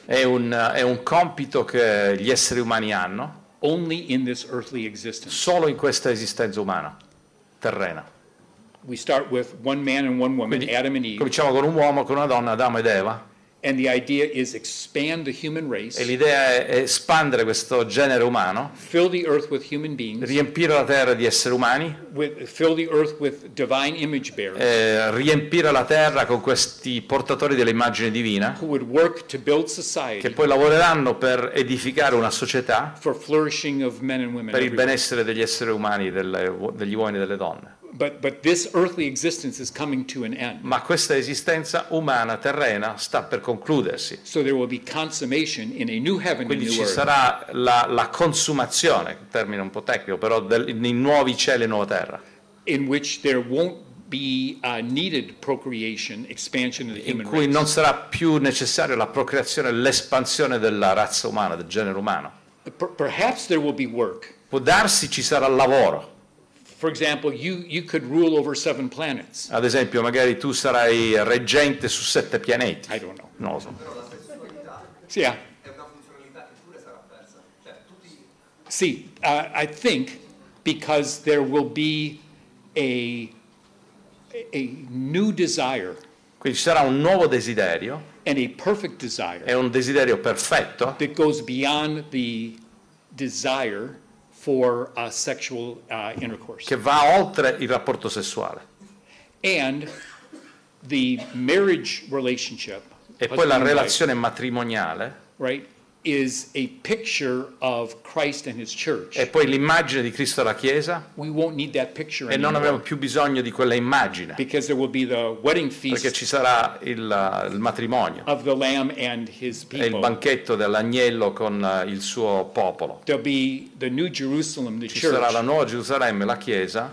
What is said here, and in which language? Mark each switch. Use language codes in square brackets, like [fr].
[it] È un compito che gli esseri umani hanno. [en] Only in this earthly existence. [it] Solo in questa esistenza umana, terrena. [en] We start with one man and one woman, quindi, Adam and Eve. [it] Cominciamo con un uomo, con una donna, Adamo ed Eva. [en] And the idea is expand the human race. [it] E l'idea è espandere questo genere umano. [en] Fill the earth with human beings. [it] Riempire la terra di esseri umani. [en] Fill the earth with divine image bearers. [it] Riempire la terra con questi portatori dell'immagine divina. [en] Who would work to build society. [it] Che poi lavoreranno per edificare una società. [en] For flourishing of men and women. [it] Per il benessere degli esseri umani, degli uomini e delle donne. [en] But this earthly existence is coming to an end. [it] Ma questa esistenza umana terrena sta per concludersi. [en] So there will be consummation in a new heaven and new earth. [it] Quindi ci sarà la consumazione, termine un po' tecnico, però nei nuovi cieli e nuova terra. [en] In which there won't be a needed procreation, expansion of the human race. [it] In cui non sarà più necessaria la procreazione, l'espansione della razza umana, del genere umano. [en] Perhaps there will be work. [it] Può darsi ci sarà lavoro. [en] For example, you could rule over 7 planets. [it] Ad esempio, magari tu sarai reggente su 7 pianeti. [en] I don't know. [it] Non lo so. Sì, yeah. È una funzionalità che pure sarà persa. Cioè, tutti. [en] See, I think because there will be a new desire. [it] Quindi ci sarà un nuovo desiderio. [en] And a perfect desire. [it] È un desiderio perfetto. [en] That goes beyond the desire for sexual intercourse. [it] Che va oltre il rapporto sessuale. [en] And the marriage relationship. [it] E poi la relazione matrimoniale. [en] Right, is a picture of Christ and His church. [it] E poi l'immagine di Cristo alla Chiesa. [en] We won't need that picture [it] e [en] anymore. [it] E non avremo più bisogno di quella immagine. [en] Because there will be the wedding feast. [it] Perché ci sarà il matrimonio. [en] Of the Lamb and His people. [it] E il banchetto dell'agnello con il suo popolo. [en] There'll be the New Jerusalem, the [it] ci [en] church. [it] Ci sarà la nuova Gerusalemme, la Chiesa.